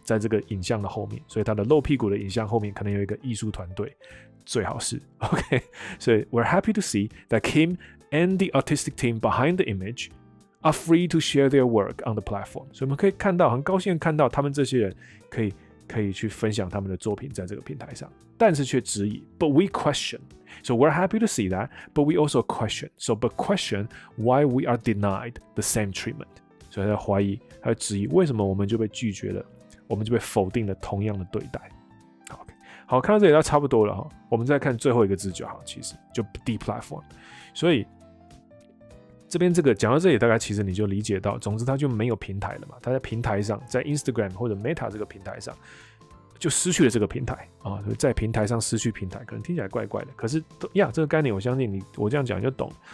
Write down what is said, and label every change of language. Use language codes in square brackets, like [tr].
[zh] 在这个影像的后面，所以他的露屁股的影像后面可能有一个艺术团队，最好是 OK。 [en] 所以 We're happy to see that Kim and the artistic team behind the image are free to share their work on the platform。 [zh] 所以我们可以看到，很高兴看到他们这些人可以去分享他们的作品在这个平台上，但是却质疑。 [en] But we question. So we're happy to see that, but we also question. So but question why we are denied the same treatment。 [zh] 所以他在怀疑，他在质疑，为什么我们就被拒绝了，我们就被否定了同样的对待。好， okay， 好，看到这里就差不多了，我们再看最后一个字就好，其实就 deplatform。所以这边这个讲到这里，大概其实你就理解到，总之他就没有平台了嘛，他在平台上，在 Instagram 或者 Meta 这个平台上就失去了这个平台啊，所以在平台上失去平台，可能听起来怪怪的，可是呀，这个概念我相信你，我这样讲就懂。